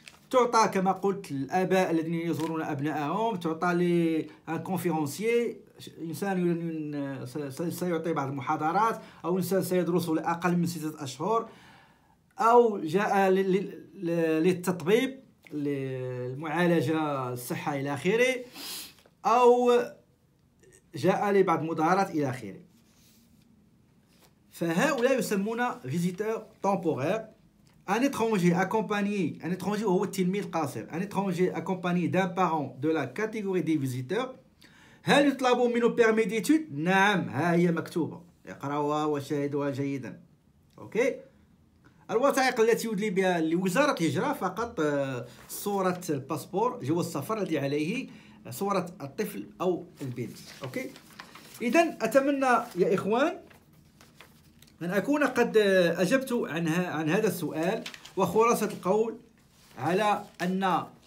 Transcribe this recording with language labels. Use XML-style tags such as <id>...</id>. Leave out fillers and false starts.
<ar>تعطى كما قلت الآباء الذين يزورون أبنائهم، تعطى لكونفيرونسيير، إنسان سيعطي بعض المحاضرات، أو إنسان سيدرس لأقل من 6 أشهر، أو جاء للتطبيب للمعالجة الصحة إلى آخره، أو جاء لبعض المظاهرات إلى آخره. فهؤلاء يسمون فيزيتور تمبورير.</ar> <fr>Un étranger accompagné, un étranger ou timide قاصر, un étranger accompagné d'un parent de la catégorie des visiteurs,</fr> <ar>هل يطلب منه</ar> <fr>permis d'études؟</fr> <ar>نعم، ها هي مكتوبة، اقرأوها وشاهدوها جيدا. اوكي، الوثائق التي يدلي بها لوزارة الهجرة فقط صورة الباسبور جو السفر الذي عليه، صورة الطفل او البنت. اوكي، اذا اتمنى يا اخوان أن أكون قد أجبت عن هذا السؤال، وخلاصة القول على أن</ar>